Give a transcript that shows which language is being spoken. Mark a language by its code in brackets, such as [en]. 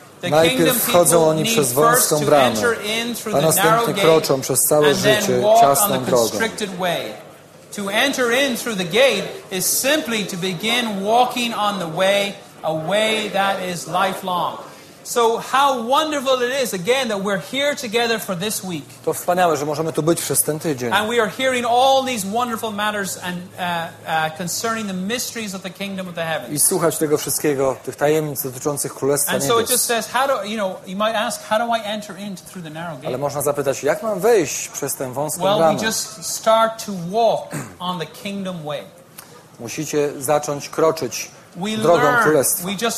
[pl] Najpierw wchodzą oni przez wąską bramę, a następnie kroczą przez całe życie ciasną drogą. [en] To enter in through the gate is simply to begin walking on the way, a way that is lifelong. So how wonderful it is, again, that we're here together for this week. [pl] To wspaniałe, że możemy tu być przez ten tydzień. [en] And we are hearing all these wonderful matters and concerning the mysteries of the kingdom of the heavens. [pl] I słuchać tego wszystkiego, tych tajemnic dotyczących Królestwa Niebios. [en] And so it just says, you might ask, how do I enter in through the narrow gate? [pl] Ale można zapytać, jak mam wejść przez tę wąską bramę? [en] Well, we just start to walk on the kingdom way. [pl] Musicie zacząć kroczyć drogą Królestwa.